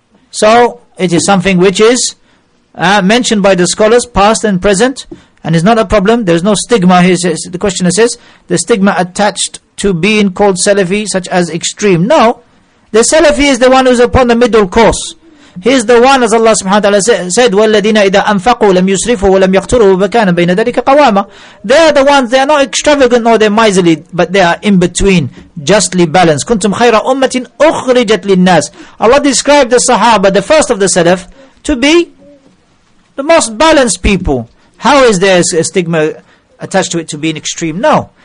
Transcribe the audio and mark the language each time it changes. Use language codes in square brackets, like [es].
[en] So, it is something which is mentioned by the scholars, past and present, and it's not a problem. There's no stigma, he says, the questioner says, the stigma attached to being called Salafi, such as extreme. No. The Salafi is the one who's upon the middle course. He's the one, as Allah subhanahu wa ta'ala said, [ar] وَالَّذِينَ إِذَا أَنْفَقُوا لَمْ يُسْرِفُوا وَلَمْ يَقْتُرُوا وَبَكَانَ بَيْنَ ذَلِكَ قَوَامًا. [en] They are the ones, they are not extravagant nor they're miserly, but they are in between, justly balanced. [ar] كُنْتُمْ خَيْرَ أُمَّةٍ أُخْرِجَتْ لِلنَّاسِ. [en] Allah described the Sahaba, the first of the Salaf, to be the most balanced people. How is there a stigma attached to it to be an extreme? No.